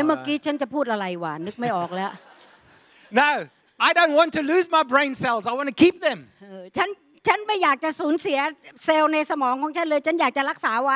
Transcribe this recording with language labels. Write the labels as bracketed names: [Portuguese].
[Thai] เมื่อกี้ฉันจะพูดอะไรวะนึกไม่ออกแล้ว [English] No, I don't want to lose my brain cells. I want to keep them. [Thai] ฉันไม่อยากจะสูญเสียเซลล์ในสมองของฉันเลยฉันอยากจะรักษาไว